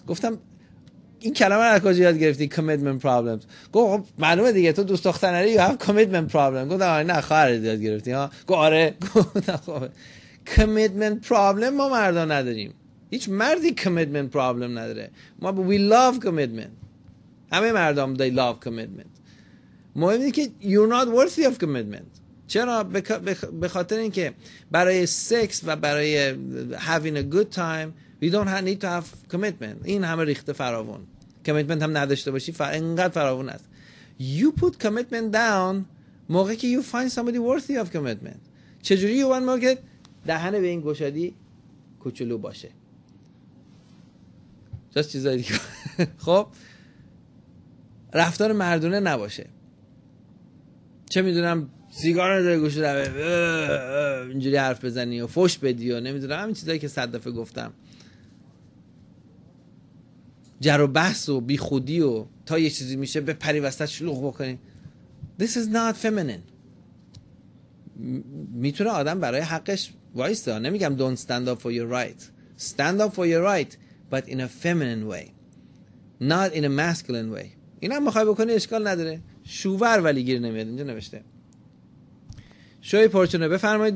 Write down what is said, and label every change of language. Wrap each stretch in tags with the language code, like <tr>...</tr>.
<fa>گفتم این کلمه رو از کجا یاد گرفتی commitment problems؟ گفت خب معلومه دیگه، تو دوست دختر نداری</fa> <en>you have commitment problems.</en> <fa>گفتم آره نه خواهرت یاد گرفتی ها. گفت آره. گفتم خب commitment problem ما مردا نداریم، هیچ مردی commitment problem نداره، ما</fa> <en>we love commitment،</en> <fa>همه مردم</fa> <en>they love commitment.</en> <fa>مهم اینه که</fa> <en>you're not worthy of commitment.</en> <fa>چرا؟ به خاطر اینکه برای سکس و برای</fa> <en>having a good time we don't need to have commitment.</en> <fa>این همه ریخته فراوون، commitment هم نداشته باشی اینقدر فراوون است.</fa> <en>You put commitment down</en> <fa>موقعی که</fa> <en>you find somebody worthy of commitment.</en> <fa>چجوری؟</fa> <en>you want more</en> <fa>که دهن به این گشادی کوچولو باشه، جاست چیزایی دیگه. خب رفتار مردونه نباشه، چه میدونم سیگار رو داره گوشه رو اینجوری حرف بزنی و فوش بدی و نمیدونم همین چیزایی که صد دفعه گفتم، جر و بحث و بی خودی و تا یه چیزی میشه به پری وسط شلوغ بکنی.</fa> <en>This is not feminine.</en> <fa>میتونه آدم برای حقش وایسته، نمیگم</fa> <en>don't stand up for your right. Stand up for your right but in a feminine way, not in a masculine way.</en> <fa>این هم میخوای بکنی اشکال نداره. شوور ولی گیر نمیاد. اینجا نوشته شوی پرچونه، بفرمایید.</fa>